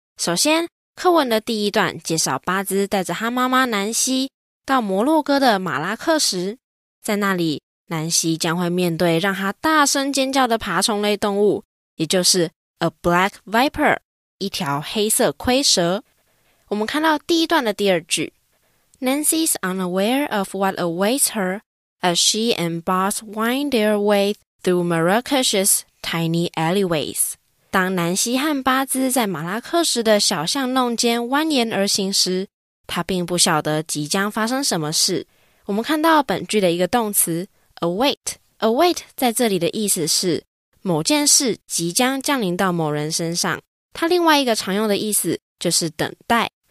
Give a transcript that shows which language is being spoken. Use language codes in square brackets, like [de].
[zh] 首先，课文的第一段介绍巴兹带着他妈妈南希到摩洛哥的马拉克什，在那里南希将会面对让她大声尖叫的爬虫类动物，也就是 [en] a black viper， [zh] 一条黑色蝰蛇。 [en] 我们看到第一段的第二句， Nancy is unaware of what awaits her as she and Boz wind their way through Marrakesh's tiny alleyways。 [zh] 当南希和巴兹在马拉克什的小巷弄间蜿蜒而行时，她并不晓得即将发生什么事。我们看到本句的一个动词Await 在这里的意思是某件事即将降临到某人身上，它另外一个常用的意思就是等待。